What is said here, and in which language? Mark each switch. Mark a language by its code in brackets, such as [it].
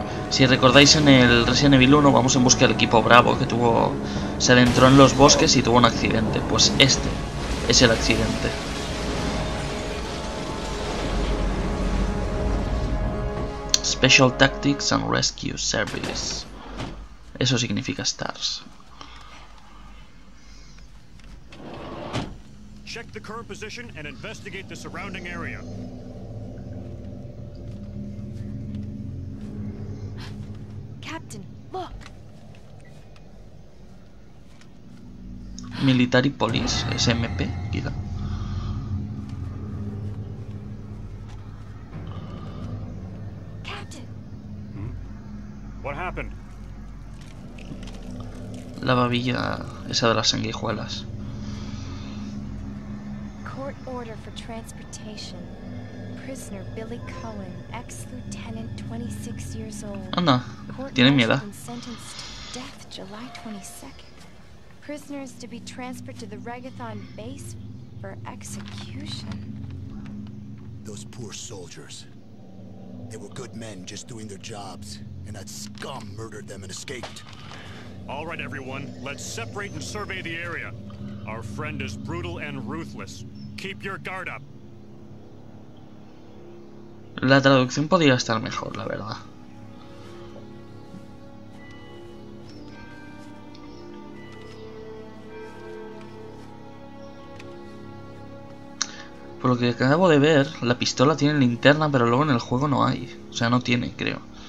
[es] Si recordáis en el Resident Evil 1 vamos en busca del equipo Bravo que tuvo... Se adentró en los bosques y tuvo un accidente. Pues este es el accidente. [en] Special Tactics and Rescue Service. [es] Eso significa STARS. [en] Check the current position and investigate the surrounding area. Captain, look. Military Police, SMP, quizá. Captain. What happened? [es] la babilla esa de las sanguijuelas. [en] Court order for transportation. Prisoner Billy Cohen, ex-lieutenant, 26 years old. [es] Anda, tiene mi edad. [en] Sentenced to death July 22nd. Prisoner is to be transferred to the Regathon base for execution. Those poor soldiers. They were good men just doing their jobs, and that scum murdered them and escaped. All right, everyone, let's separate and survey the area. Our friend is brutal and ruthless. Keep your guard up. [es] La traducción podría estar mejor, la verdad. Por lo que acabo de ver, la pistola tiene linterna, pero luego en el juego no hay. O sea, no tiene, creo.